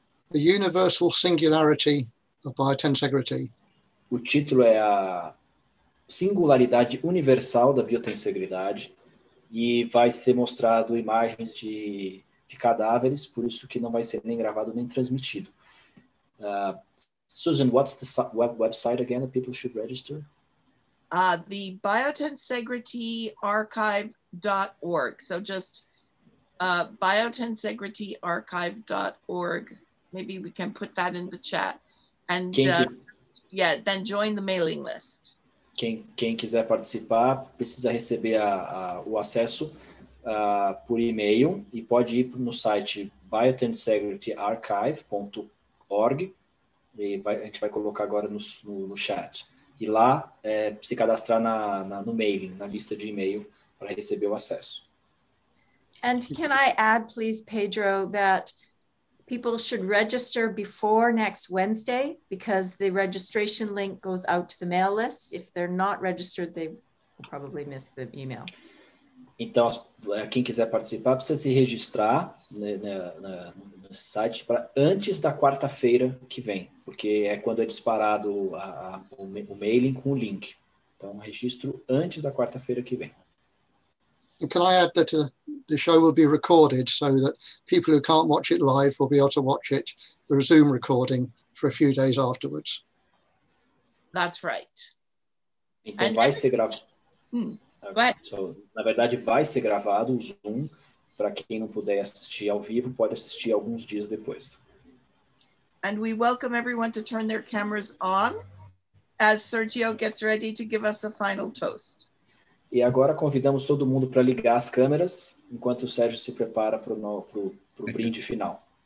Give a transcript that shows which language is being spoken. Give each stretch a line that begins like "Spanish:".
English: The Universal Singularity of Biotensegrity.
Portuguese: O título é a Singularidade Universal da Biotensegridade e vai ser mostrado imagens de cadáveres, por isso que não vai ser nem gravado nem transmitido.
English: Susan, what's the website again that people should register? The biotensegrityarchive.org. So just biotensegrityarchive.org. Maybe we can put that in the chat. And then join the mailing list.
Portuguese: Quem quiser participar precisa receber o acesso por e-mail e pode ir no site biotensegrityarchive.org e a gente vai colocar agora no chat. E lá se cadastrar no mailing, na lista de e-mail para receber o acesso.
English: And can I add, please, Pedro, that people should register before next Wednesday because the registration link goes out to the mail list. If they're not registered, they will probably miss the email.
Portuguese: Então, quem quiser participar precisa se registrar no site para antes da quarta-feira que vem, porque é quando é disparado o mailing com o link. Então, registro antes da quarta-feira que vem.
English: And can I add that the show will be recorded so that people who can't watch it live will be able to watch it, the Zoom recording, for a few days afterwards. That's right.
Portuguese: Então and vai ser gravado. So, na verdade, vai ser gravado o Zoom para quem não puder assistir ao vivo, pode assistir alguns dias depois.
English: And we welcome everyone to turn their cameras on as Sergio gets ready to give us a final toast.
Portuguese: E agora convidamos todo mundo para ligar as câmeras enquanto o Sérgio se prepara para o brinde final.